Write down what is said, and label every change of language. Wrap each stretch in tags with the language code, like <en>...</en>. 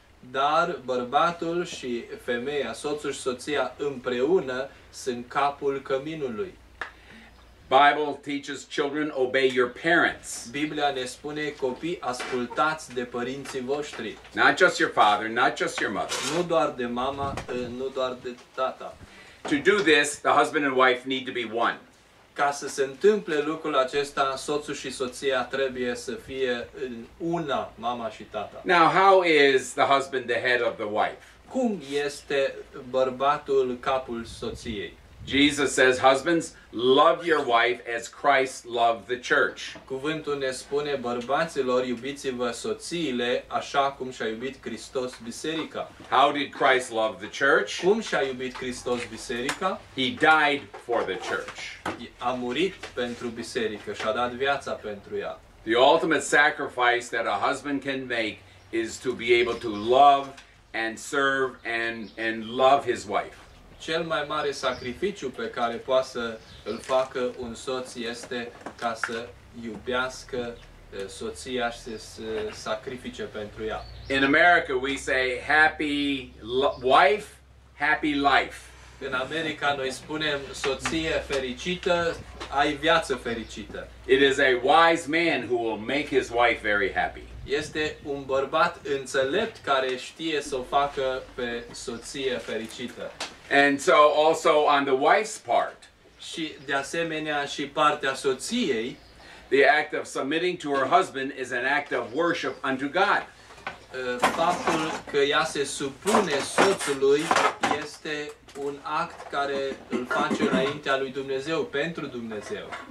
<ro>Dar bărbatul și femeia, soțul și soția împreună, sunt capul căminului.</ro> <en>Bible teaches children obey your parents.</en> <ro>Biblia ne spune copii ascultați de părinții voștri.</ro> <en>Not just your father, not just your mother.</en> <ro>Nu doar de mama, nu doar de tata.</ro> <en>To do this, the husband and wife need to be one.</en> <ro>Ca să se întâmple lucrul acesta, soțul și soția trebuie să fie una, mama și tata.</ro> <en>Now, how is the husband the head of the wife?</en> <ro>Cum este bărbatul capul soției?</ro> <en>Jesus says, husbands, love your wife as Christ loved the church.</en> <ro>Cuvântul ne spune, bărbaților, iubiți-vă soțiile așa cum și-a iubit Hristos biserica.</ro> <en>How did Christ love the church?</en> <ro>Cum și-a iubit Hristos biserica?</ro> <en>He died for the church.</en> <ro>A murit pentru biserică și a dat viața pentru ea.</ro> <en>The ultimate sacrifice that a husband can make is to be able to love and serve and love his wife.</en> <ro>Cel mai mare sacrificiu pe care poate să îl facă un soț este ca să iubească soția și să se sacrifice pentru ea.</ro> <en>In America we say happy wife, happy life.</en> <ro>În America noi spunem soție fericită, ai viață fericită.</ro> <en>It is a wise man who will make his wife very happy.</en> <ro>Este un bărbat înțelept care știe să o facă pe soție fericită.</ro> <en>And so also on the wife's part.</en> <ro>Și de asemenea și partea soției,</ro> <en>the act of submitting to her husband is an act of worship unto God.</en> <ro>Faptul că ea se supune soțului este un act care îl face înaintea lui Dumnezeu, pentru Dumnezeu.</ro>